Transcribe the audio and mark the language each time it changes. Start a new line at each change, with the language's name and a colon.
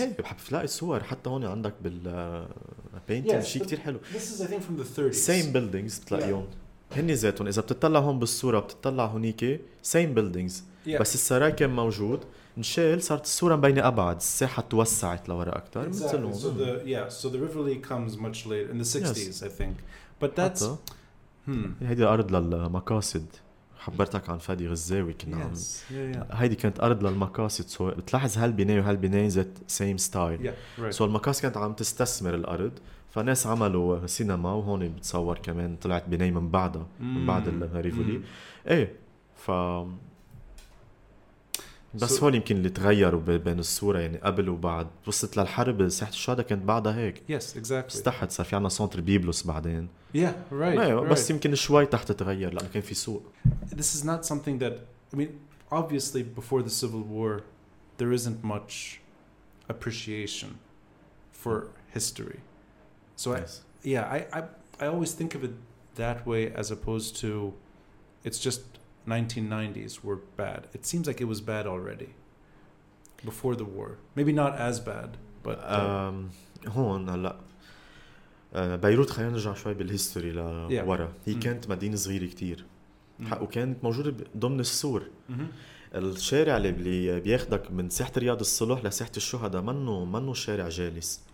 Arabic: ايه بلاقي صور حتى هون عندك بالبينتين شيء كتير حلو.
English: This is I think from the 30s. Same buildings
Arabic: بتلاقيهم. هني زيتون. إذا بتطلع هون بالصورة بتطلع هونيك
English: same buildings. Yeah.
Arabic: بس السراي كان موجود. نشيل صارت الصورة مبينة أبعد. الساحة توسعت لورا أكتر.
English: Exactly. So the, yeah, so the Rivoli comes much later. In the 60s, yes. I think. But that's...
Arabic: هيدي الأرض للمقاصد. حبرتك عن فادي غزاوي كنا.
English: Yes.
Arabic: عم.
English: Yeah, yeah.
Arabic: هيدي كانت أرض للمقاصد. So بتلاحظ هالبناية وهالبناية ذات
English: same style. Yeah, right.
Arabic: So المقاصد كانت عم تستثمر الأرض. فناس عملوا سينما وهون بتصور كمان طلعت بناية من بعدها. من بعد الريفولي. إيه. ف... بس so, هول يمكن اللي تغيروا بين الصورة يعني قبل وبعد. وصلت للحرب ساحة الشهداء كانت بعدها هيك.
English: Yes, exactly.
Arabic: استحت صار في عنا سنتر بيبلوس بعدين.
English: Yeah, right.
Arabic: بس
English: right.
Arabic: يمكن شوي تحت تغير لأنه كان في سوق.
English: This is not something that, I mean, obviously before the Civil War, there isn't much appreciation for history. So yes. I always think of it that way as opposed to, it's just, 1990s were bad. It seems like it was bad already before the war. Maybe not as bad, but
Arabic: هون هلا بيروت خلينا نرجع شوي بالهيستوري لورا. هي كانت مدينة صغيرة كتير وكانت موجودة ضمن السور. الشارع اللي بياخدك من ساحة رياض الصلح لساحة الشهداء منه شارع جالس.